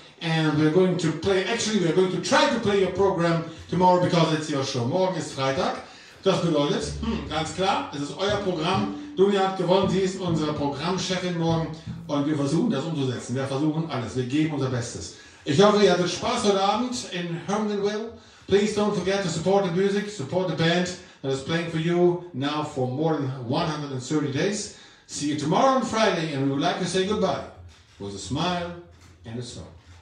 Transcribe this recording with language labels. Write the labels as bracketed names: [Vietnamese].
[English] And we're going to play, actually we're going to try to play your program tomorrow because it's your show. [German] Morgen ist Freitag. Das bedeutet, ganz klar, es ist euer Programm. Dunja hat gewonnen, sie ist unsere Programmchefin morgen und wir versuchen das umzusetzen. Wir versuchen alles, wir geben unser Bestes. Ich hoffe, ihr hattet Spaß heute Abend in Hermanville. [English] Please don't forget to support the music, support the band that is playing for you now for more than 130 days. See you tomorrow on Friday and we would like to say goodbye with a smile and a song.